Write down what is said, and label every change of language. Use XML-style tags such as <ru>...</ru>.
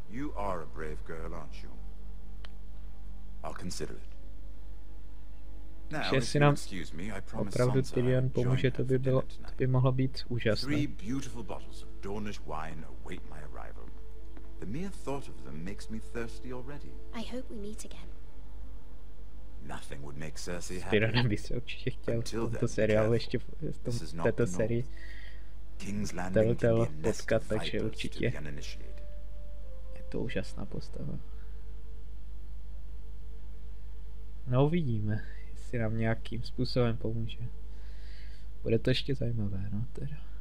<en>You are a brave girl, aren't you? I'll consider it.</en> <cs>Now, jestli nám opravdu Tyrion pomůže, to by mohlo být úžasné.</cs> <en>Three beautiful bottles of Dornish wine await my arrival. The mere thought of them makes me thirsty already. I hope we meet again. Nothing would make Cersei happy.</en> <cs>Tyrion by se určitě chtěl v tomto seriálu ještě v tom, této sérii</cs> <en>King's Landing</en> <cs>potkat, takže určitě je to úžasná postava. No uvidíme, jestli nám nějakým způsobem pomůže. Bude to ještě zajímavé, no teda.</cs>